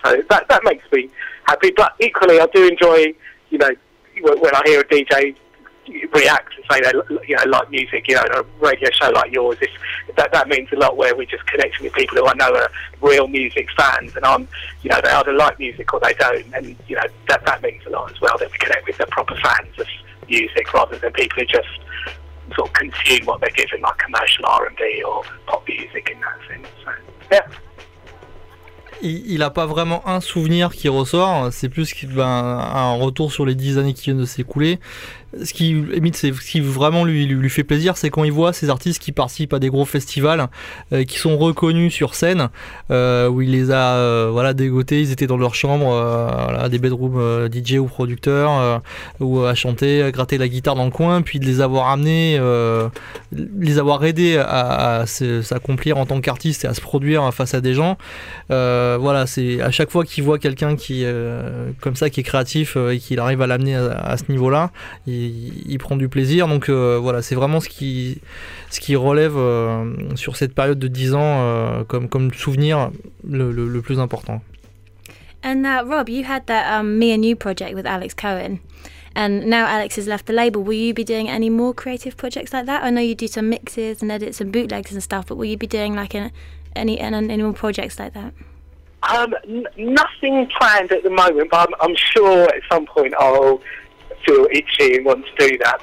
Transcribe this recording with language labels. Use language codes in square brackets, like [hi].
[en] So that makes me happy. But equally, I do enjoy, when I hear a DJ react and say they like music, a radio show like yours, that means a lot, where we're just connecting with people who I know are real music fans, and I'm, they either like music or they don't, and that means a lot as well, that we connect with the proper fans of music rather than people who just sort of consume what they're given, like commercial R&B or pop music in that sense. So, yeah. [fr] Il n'a pas vraiment un souvenir qui ressort, c'est plus un retour sur les 10 années qui viennent de s'écouler. ce qui limite, c'est ce qui vraiment lui fait plaisir, c'est quand il voit ces artistes qui participent à des gros festivals, qui sont reconnus sur scène, où il les a voilà dégotés, ils étaient dans leur chambre, voilà, des bedrooms DJ ou producteur, ou à chanter, à gratter la guitare dans le coin, puis de les avoir amenés, les avoir aidés à s'accomplir en tant qu'artiste et à se produire face à des gens. Voilà, c'est à chaque fois qu'il voit quelqu'un qui comme ça, qui est créatif et qu'il arrive à l'amener à ce niveau-là, il prend du plaisir. Donc voilà, c'est vraiment ce qui relève sur cette période de 10 ans comme souvenir le plus important. [en] And Rob, you had that Me and You project with Alex Cohen. And now Alex has left the label. Will you be doing any more creative projects like that? I know you do some mixes and edits and bootlegs and stuff, but will you be doing like any more projects like that? Nothing planned at the moment, but I'm sure at some point I'll feel itchy and want to do that.